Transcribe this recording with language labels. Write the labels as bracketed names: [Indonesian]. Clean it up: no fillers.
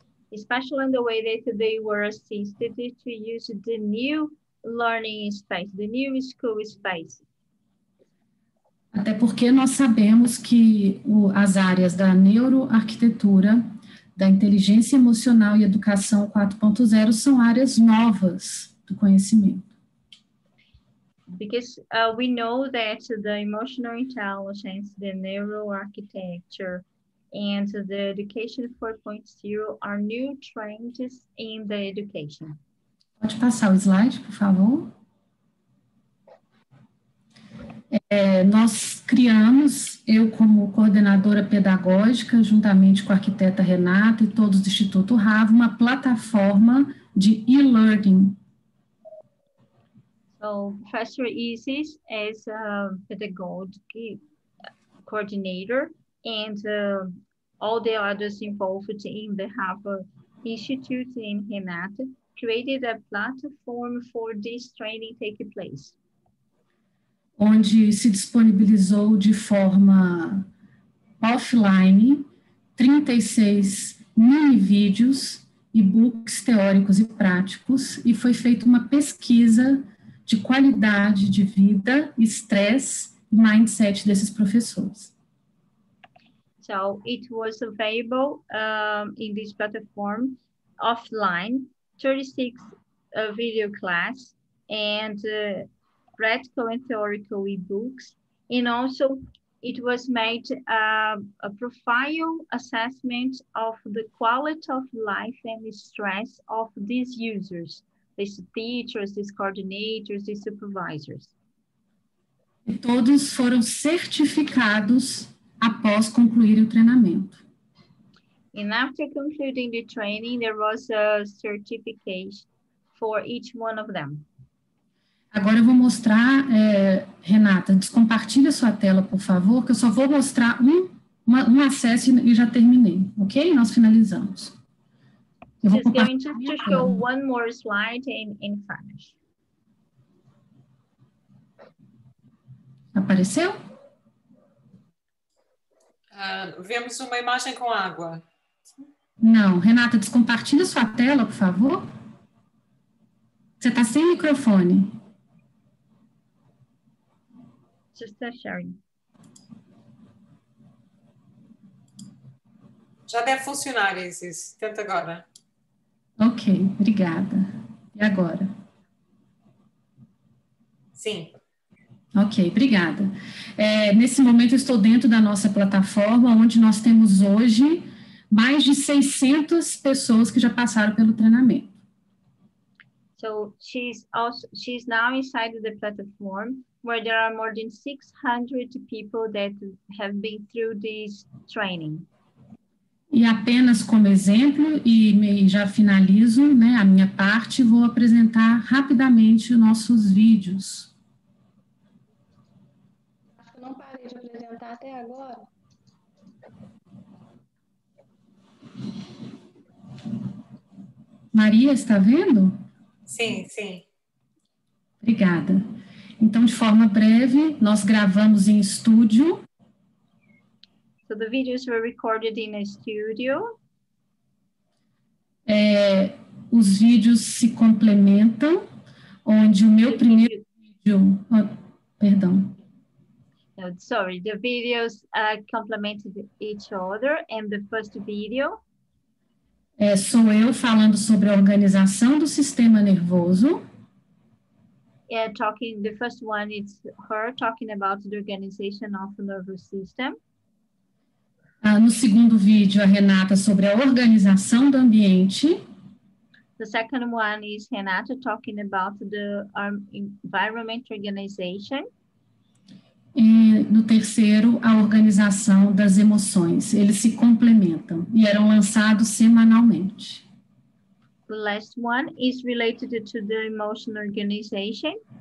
[English] Especially in the way that they were assisted to use the new learning space, the new school space. [Portuguese] Até porque nós sabemos que as áreas da neuroarquitetura, da inteligência emocional e educação 4.0 são áreas novas do conhecimento. [English] Because we know that the emotional intelligence, the neuroarchitecture and the education 4.0 are new trends in the education. [Portuguese] Pode passar o slide, por favor? Nós criamos, eu como coordenadora pedagógica, juntamente com a arquiteta Renata e todos do Instituto HAVA, uma plataforma de e-learning. [English] So, Professor Isis, as a pedagogic coordinator, and all the others involved in the HAVA Institute in Renata, created a platform for this training taking place. [Portuguese] Onde se disponibilizou de forma offline 36 mini vídeos, e-books teóricos e práticos, e foi feita uma pesquisa de qualidade de vida, estresse e mindset desses professores. [English] So, it was available in this platform offline, 36 video class, and practical and theoretical e-books, and also it was made a profile assessment of the quality of life and the stress of these users, these teachers, these coordinators, these supervisors. [Portuguese] E todos foram certificados após concluir o treinamento. [English] And after concluding the training, there was a certification for each one of them. [Portuguese] Agora eu vou mostrar, Renata, descompartilha sua tela, por favor, que eu só vou mostrar um acesso e já terminei, ok? Nós finalizamos. Eu vou compartilhar. [English] Just show one more slide in Spanish. [Portuguese] Apareceu? Vemos uma imagem com água. Não, Renata, descompartilha sua tela, por favor. Você está sem microfone. [English] Just sharing. [Portuguese] Já deve funcionar, Isis. Tenta agora. Ok, obrigada. E agora? Sim. Ok, obrigada. Nesse momento, eu estou dentro da nossa plataforma, onde nós temos hoje mais de 600 pessoas que já passaram pelo treinamento. [English] So, she's now inside the platform, where there are more than 600 people that have been through this training. [Portuguese] E apenas como exemplo, e já finalizo, né, a minha parte, vou apresentar rapidamente os nossos vídeos. Acho que não parei de apresentar até agora. Maria, está vendo? Sim, sim. Obrigada. Então, de forma breve, nós gravamos em estúdio. [English] So the videos were recorded in a studio. [Portuguese] Os vídeos se complementam. onde o meu primeiro vídeo... Perdão. [English] No, sorry, the videos complemented each other and the first video. [Portuguese] É, sou eu falando sobre a organização do sistema nervoso. [English] Yeah, talking, the first one, it's her talking about the organization of the nervous system. [Portuguese] No segundo vídeo, a Renata sobre a organização do ambiente. [English] The second one is Renata talking about the environment organization. [Portuguese] E no terceiro, a organização das emoções. Eles se complementam e eram lançados semanalmente. [English] The last one is related to the emotional organization.